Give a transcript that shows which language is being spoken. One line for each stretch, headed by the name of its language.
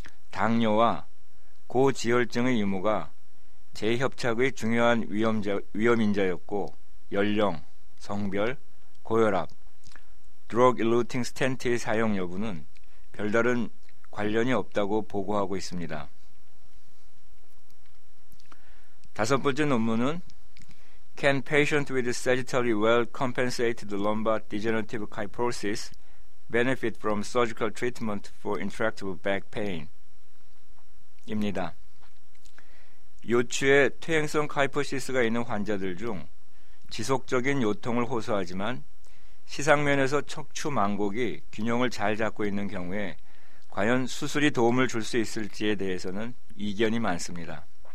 Korean: 당뇨와 고지혈증의 유무가 재협착의 중요한 위험인자였고 연령, 성별, 고혈압, 드럭 일루팅 스텐트의 사용 여부는 별다른 관련이 없다고 보고하고 있습니다. 다섯 번째 논문은
English: Can patient with sagittally well-compensated lumbar degenerative kyphosis benefit from surgical treatment for intractable back pain?
Korean: 입니다. 요추에 퇴행성 카이퍼시스가 있는 환자들 중 지속적인 요통을 호소하지만 시상면에서 척추 망곡이 균형을 잘 잡고 있는 경우에 과연 수술이 도움을 줄 수 있을지에 대해서는 이견이 많습니다.